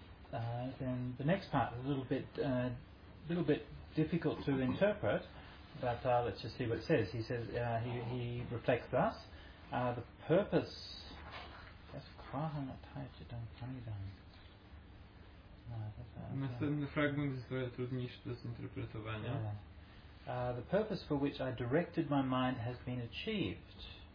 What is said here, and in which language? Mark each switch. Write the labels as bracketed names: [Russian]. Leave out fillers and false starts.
[English] So then the next part is a little bit difficult to interpret, but let's just see what it says. He says he reflects thus: the purpose. That's kraha na tajce dan pani dan. [Polish] Następny fragment jest trochę trudniejszy do zinterpretowania. [English] The purpose for which I directed my mind has been achieved.